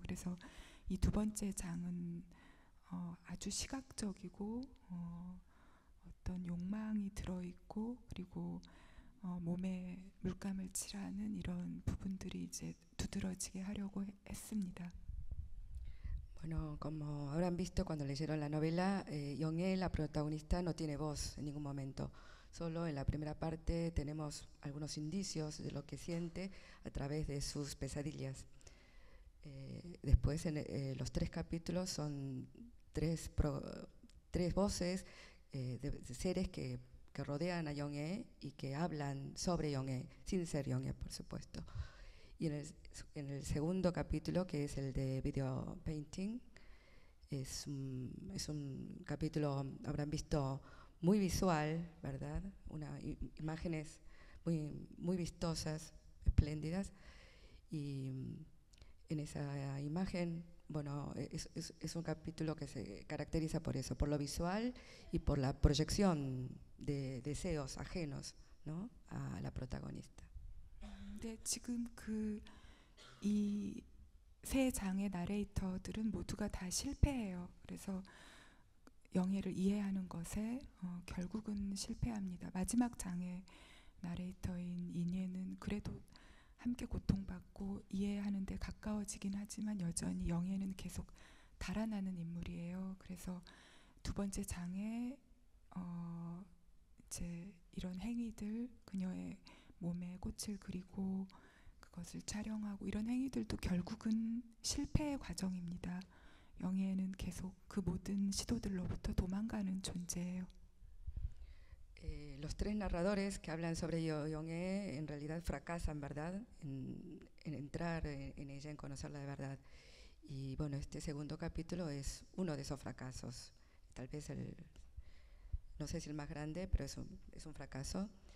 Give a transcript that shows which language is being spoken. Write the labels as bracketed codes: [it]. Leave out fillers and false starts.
[ko] 그래서 이 두 번째 장은 아주 시각적이고 어떤 욕망이 들어있고 그리고 몸에 물감을 칠하는 이런 부분들이 이제 두드러지게 하려고 했습니다. [es] Bueno, como habrán visto cuando leyeron la novela, Yong-hae, la protagonista, no tiene voz en ningún momento. Solo en la primera parte tenemos algunos indicios de lo que siente a través de sus pesadillas. Después, los tres capítulos son tres voces de seres que rodean a Yong-hae y que hablan sobre Yong-hae, sin ser Yong-hae, por supuesto. Y en el segundo capítulo, que es el de video painting, es un capítulo, habrán visto, muy visual, ¿verdad? Imágenes muy, muy vistosas, espléndidas. Y en esa imagen, bueno, es un capítulo que se caracteriza por eso, por lo visual y por la proyección de deseos ajenos, ¿no? A la protagonista. [ko] 네, 지금 그 이 세 장의 나레이터들은 모두가 다 실패해요. 그래서 영예를 이해하는 것에 결국은 실패합니다. 마지막 장의 나레이터인 인예는 그래도 함께 고통받고 이해하는 데 가까워지긴 하지만 여전히 영예는 계속 달아나는 인물이에요. 그래서 두 번째 장에 이제 이런 행위들, 그녀의 몸에 꽃을 그리고 그것을 촬영하고 이런 행위들도 결국은 실패의 과정입니다. 영예는 계속 그 모든 시도들로부터 도망가는 존재예요. [es] Los tres narradores que hablan sobre Yong-hae en realidad fracasan, ¿verdad? En entrar en ella, en conocerla de verdad. Y bueno, este segundo capítulo es uno de esos fracasos. Tal vez el, no sé si el más grande, pero es un fracaso.